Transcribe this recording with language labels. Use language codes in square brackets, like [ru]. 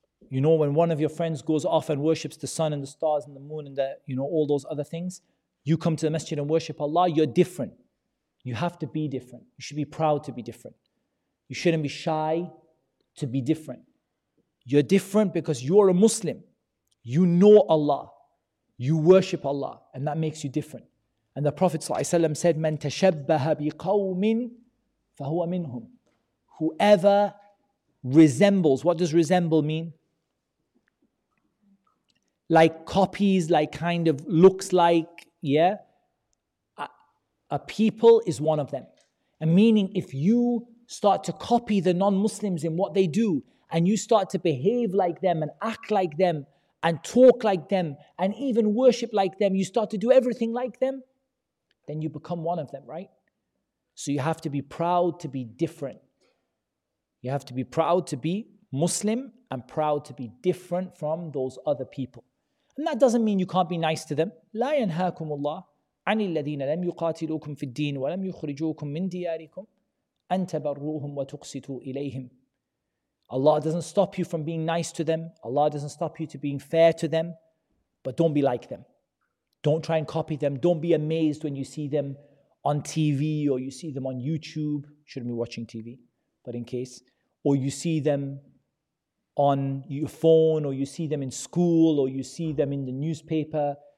[en] You know, when one of your friends goes off and worships the sun and the stars and the moon and the, you know, all those other things, you come to the masjid and worship Allah, you're different. You have to be different. You should be proud to be different. You shouldn't be shy to be different. You're different because you're a Muslim. You know Allah. You worship Allah. And that makes you different. And the Prophet ﷺ said, [ar] مَنْ تَشَبَّهَ بِقَوْمٍ فَهُوَ مِنْهُمْ. [en] Whoever resembles, what does resemble mean? Like copies, like kind of looks like, yeah? A people is one of them. And meaning if you start to copy the non-Muslims in what they do, and you start to behave like them, and act like them, and talk like them, and even worship like them, you start to do everything like them, then you become one of them, right? So you have to be proud to be different. You have to be proud to be Muslim, and proud to be different from those other people. And that doesn't mean you can't be nice to them. [ar] لا ينهاكم الله عن الذين لم يقاتلوكم في الدين ولم يخرجوكم من دياركم أن تبروهم وتقسطوا إليهم. [en] Allah doesn't stop you from being nice to them. Allah doesn't stop you to being fair to them. But don't be like them. Don't try and copy them. Don't be amazed when you see them on TV or you see them on YouTube. Shouldn't be watching TV, but in case. Or you see them on your phone, or you see them in school, or you see them in the newspaper.